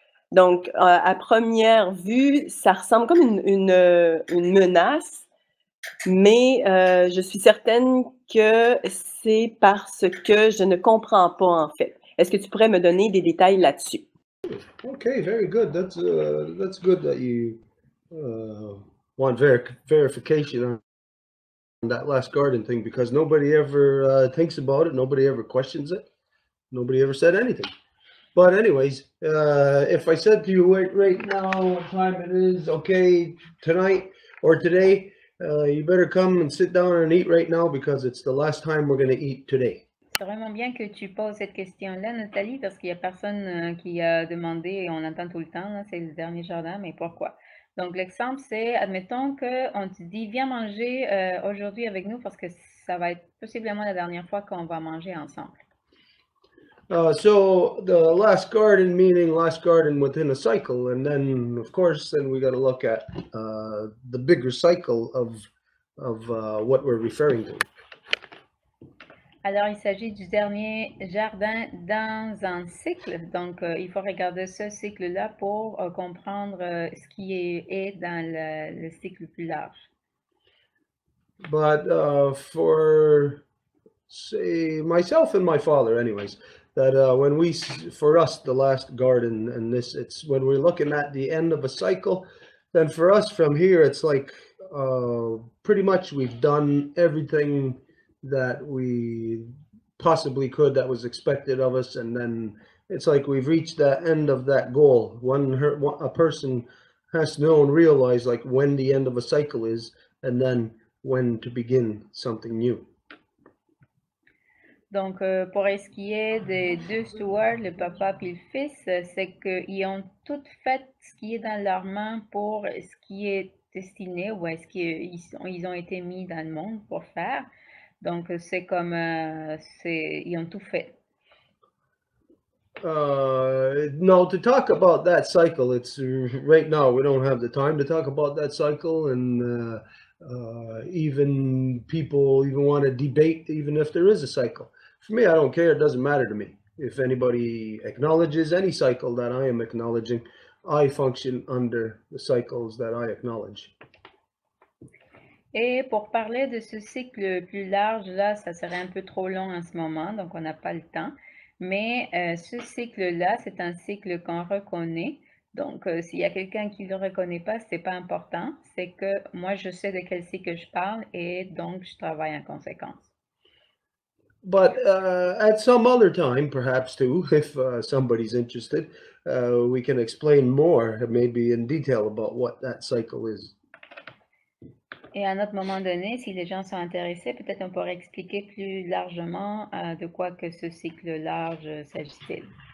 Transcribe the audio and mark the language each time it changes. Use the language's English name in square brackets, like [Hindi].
[French] Donc, à première vue, ça ressemble comme une menace, mais je suis certaine que c'est parce que je ne comprends pas, en fait. Est-ce que tu pourrais me donner des détails là-dessus? [English] OK, very good. That's good that you want verification on that last garden thing, because nobody ever thinks about it, nobody ever questions it, nobody ever said anything. But anyways, if I said to you right now what time it is, okay, tonight or today, you better come and sit down and eat right now because it's the last time we're going to eat today. [French] C'est vraiment bien que tu poses cette question-là, Nathalie, parce qu'il n'y a personne qui a demandé, et on attend tout le temps, hein, c'est le dernier jardin, mais pourquoi? Donc l'exemple, c'est, admettons qu'on te dit, viens manger aujourd'hui avec nous parce que ça va être possiblement la dernière fois qu'on va manger ensemble. [English] So the last garden meaning last garden within a cycle, and then of course then we got to look at the bigger cycle of what we're referring to. [French] Alors il s'agit du dernier jardin dans un cycle, donc il faut regarder ce cycle là pour comprendre ce qui est dans le cycle plus large. [English] But for say myself and my father anyways, that when we, for us, the last garden, and this, it's when we're looking at the end of a cycle, then for us from here, it's like pretty much we've done everything that we possibly could that was expected of us. And then it's like we've reached the end of that goal. A person has to know and realize like when the end of a cycle is and then when to begin something new. [French] Donc, pour ce qui est des deux stewards, le papa puis le fils, c'est qu'ils ont tout fait ce qui est dans leurs mains pour ce qui est destiné ou est-ce qu'ils ont été mis dans le monde pour faire. Donc, c'est comme, ils ont tout fait. [English] No, to talk about that cycle, it's right now, we don't have the time to talk about that cycle and... even people even want to debate even if there is a cycle. For me, I don't care. It doesn't matter to me. If anybody acknowledges any cycle that I am acknowledging, I function under the cycles that I acknowledge. [French] Et pour parler de ce cycle plus large, là, ça serait un peu trop long en ce moment, donc on n'a pas le temps. Mais ce cycle-là, c'est un cycle qu'on reconnaît. Donc, s'il y a quelqu'un qui ne le reconnaît pas, ce n'est pas important. C'est que moi, je sais de quel cycle je parle et donc je travaille en conséquence. [English] But at some other time, perhaps too, if somebody's interested, we can explain more, maybe in detail, about what that cycle is. [French] Et à un autre moment donné, si les gens sont intéressés, peut-être on pourrait expliquer plus largement de quoi que ce cycle large s'agit-il.